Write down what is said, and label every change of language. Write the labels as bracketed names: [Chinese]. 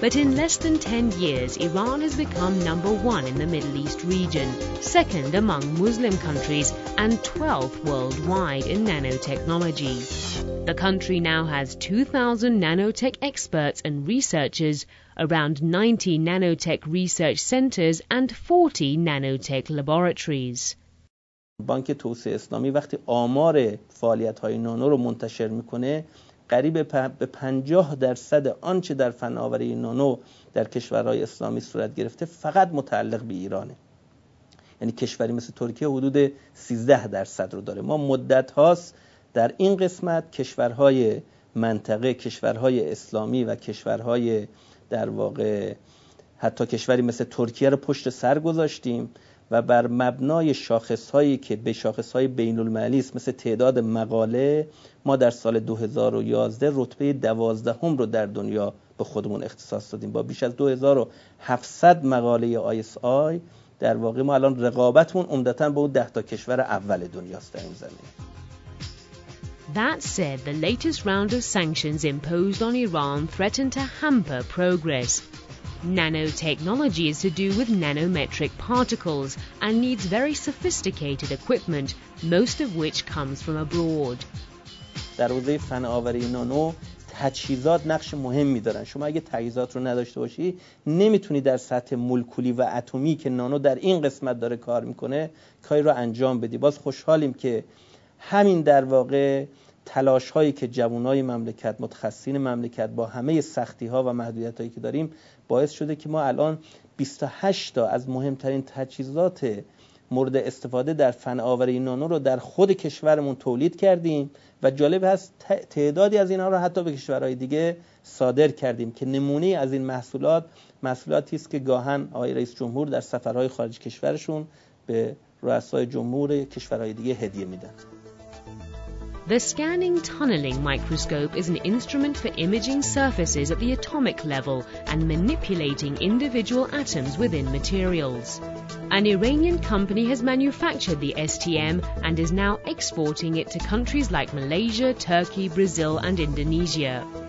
[English] But in less than 10 years, Iran has become number one in the Middle East region, second among Muslim countries, and 12th worldwide in nanotechnology. The country now has 2,000 nanotech experts and researchers, around 90 nanotech research centers, and 40 nanotech laboratories. [Persian] بانک توسعه اسلامی وقتی آمار فعالیت‌های نانو رو منتشر می‌کنه قریب به 50% آنچه در فناوری نانو در کشورهای اسلامی صورت گرفته فقط متعلق به ایرانه، یعنی کشوری مثل ترکیه حدود 13% رو داره. ما مدت هاست در این قسمت کشورهای منطقه، کشورهای اسلامی و کشورهای در واقع حتی کشوری مثل ترکیه رو پشت سر گذاشتیم و بر مبنای شاخصهایی که به شاخصهای بین المللی است مثل تعداد مقاله ما در سال 2011 رتبه 12 رو در دنیا به خودمون اختصاص دادیم. با بیش از 2700 مقاله ISI در واقع ما الان رقابتمون عمدتاً با اون 10 تا کشور اول دنیاست در این زمینه. [English] That said, the latest round of sanctions imposed on Iran threatened to hamper progress. Nanotechnology is to do with nanometric particles and needs very sophisticated equipment, most of which comes from abroad. [Persian] در حوزه فناوری نانو تجهیزات نقش مهمی دارن. شما اگه تجهیزات رو نداشته باشی نمیتونی در سطح مولکولی و اتمی که نانو در این قسمت داره کار میکنه کاری رو انجام بدی. باز خوشحالیم که همین در واقع تلاش هایی که جوانای مملکت، متخصصین مملکت با همه سختی ها و محدودیت هایی که داریم باعث شده که ما الان 28 تا از مهمترین تجهیزات مورد استفاده در فناوری نانو رو در خود کشورمون تولید کردیم و جالب هست تعدادی از اینا رو حتی به کشورهای دیگه صادر کردیم که نمونه از این محصولات محصولاتی است که گاهن آقای رئیس جمهور در سفرهای خارج کشورشون به رؤسای جمهور کشورهای دیگه هدیه میدن. [English] The scanning tunneling microscope is an instrument for imaging surfaces at the atomic level and manipulating individual atoms within materials. An Iranian company has manufactured the STM and is now exporting it to countries like Malaysia, Turkey, Brazil, and Indonesia.